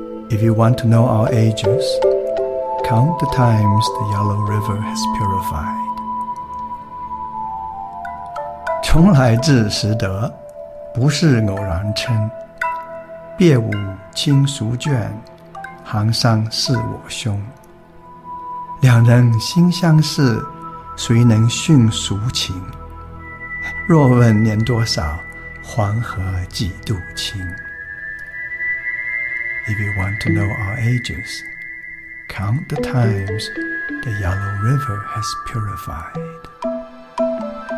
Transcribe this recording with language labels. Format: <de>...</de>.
<en>If you want to know our ages, count the times the Yellow River has purified.</en> <zh>从来自识得，不是偶然称。别无亲俗眷，寒山似我兄。两人心相似，谁能殉俗情？若问年多少，黄河几度清。</zh> <en>If you want to know our ages, count the times the Yellow River has purified.</en>